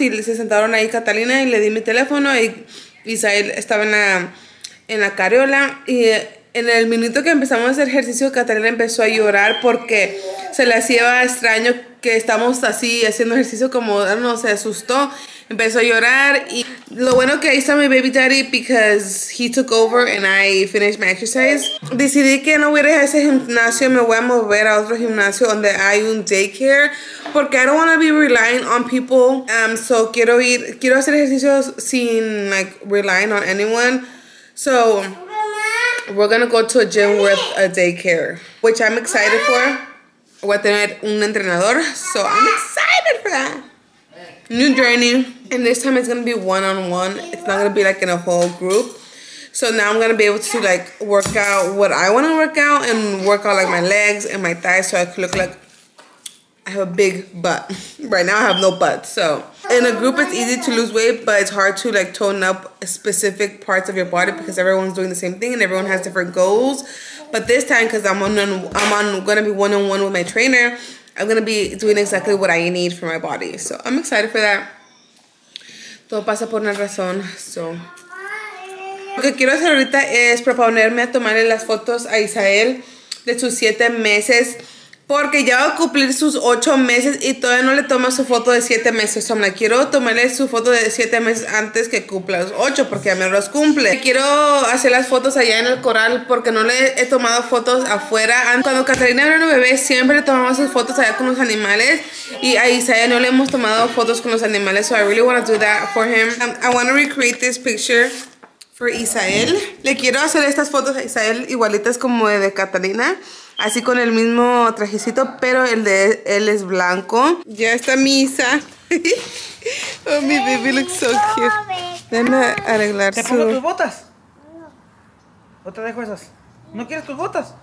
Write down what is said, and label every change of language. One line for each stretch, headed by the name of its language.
Spanish: Y se sentaron ahí Catalina y le di mi teléfono. Y Isabel estaba en la cariola. Y en el minuto que empezamos a hacer ejercicio, Catalina empezó a llorar porque se le hacía extraño que estamos así haciendo ejercicio, como no, se asustó, empezó a llorar. Y lo bueno que ahí está mi
English: baby daddy, because he took over and I finished my exercise.
Spanish: Decidí que no voy a ir a ese gimnasio, me voy a mover a otro gimnasio donde hay un daycare, porque
English: I don't want to be relying on people. So
Spanish: quiero hacer ejercicios sin
English: like relying on anyone. So we're gonna go to a gym with a daycare, which I'm excited for.
Spanish: Voy a tener un entrenador,
English: so I'm excited for that. New journey, and this time it's gonna be one-on-one. It's not gonna be like in a whole group. So now I'm gonna be able to like work out what I wanna work out and work out like my legs and my thighs so I can look like I have a big butt. Right now I have no butt, so. In a group it's easy to lose weight, but it's hard to like tone up specific parts of your body because everyone's doing the same thing and everyone has different goals. But this time, because I'm gonna be one-on-one with my trainer, I'm gonna be doing exactly what I need for my body. So I'm excited for that.
Spanish: Todo pasa por una razón,
English: so.
Spanish: Lo que quiero hacer ahorita es proponerme a tomarle las fotos a Isabel de sus 7 meses. Porque ya va a cumplir sus 8 meses y todavía no le toma su foto de 7 meses. So, me la quiero tomarle su foto de 7 meses antes que cumpla los 8, porque ya me los cumple. Quiero hacer las fotos allá en el corral porque no le he tomado fotos afuera. Cuando Catalina era una bebé, siempre le tomamos sus fotos allá con los animales. Y a Isaiah no le hemos tomado fotos con los animales.
English: So I really want to do that for him. I want to recreate this picture for Isael.
Spanish: Le quiero hacer estas fotos a Isael igualitas como de Catalina. Así con el mismo trajecito, pero el de él es blanco. Ya está
English: Misa. Oh, mi baby looks so cute.
Spanish: Déjame arreglar su... ¿Te pongo tus botas? ¿O te dejo esas? ¿No quieres tus botas?